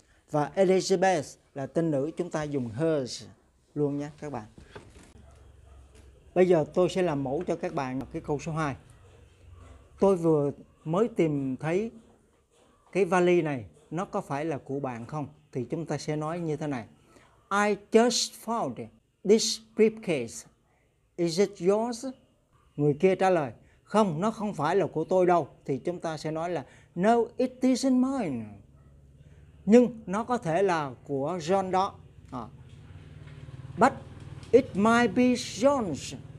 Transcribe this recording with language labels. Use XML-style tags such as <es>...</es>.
<vi>Và Elizabeth là tên nữ, chúng ta dùng hers luôn nhé các bạn. Bây giờ tôi sẽ làm mẫu cho các bạn cái câu số 2. Tôi vừa mới tìm thấy cái vali này, nó có phải là của bạn không? Thì chúng ta sẽ nói như thế này.</vi> <en>I just found this briefcase. Is it yours?</en> <vi>Người kia trả lời, không, nó không phải là của tôi đâu. Thì chúng ta sẽ nói là,</vi> <en>no, it isn't mine.</en> <vi>Nhưng nó có thể là của John đó.</vi> <en>But it might be John's.</en>